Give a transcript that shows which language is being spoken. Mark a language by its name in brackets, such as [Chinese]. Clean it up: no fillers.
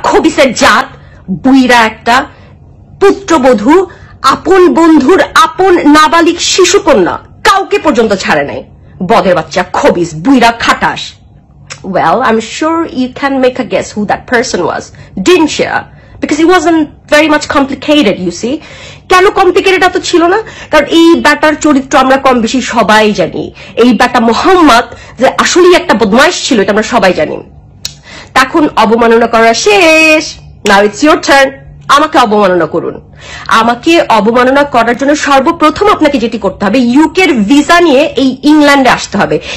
[Bangla] Officer জাত, বুইরা একটা, পুত্রবধূ, আপন বন্ধুর আপন নাবালিক শিশুকন্যা, কাউকে পর্যন্ত ছাড়ে নাই। বদের বাচ্চা খবিস, বুইরা খাটাস। [English] Well, I'm sure you can make a guess who that person was, didn't you? Because it wasn't very much complicated, you see. [Bangla] কেন কমপ্লিকেটেড এত ছিল না? কারণ এই ব্যাটার চরিত্র আমরা কম বেশি সবাই জানি। এই ব্যাটা মোহাম্মদ যে আসলেই একটা বদমাইশ ছিল এটা আমরা সবাই জানি। তখন অবমাননা করা শেষ, [English] now it's your turn, [Bangla] আমাকে অবমাননা করুন। আমাকে অবমাননা করার জন্য সর্বপ্রথম আপনাকে যেটি করতে হবে, ইউকের ভিসা নিয়ে এই ইংল্যান্ডে আসতে হবে।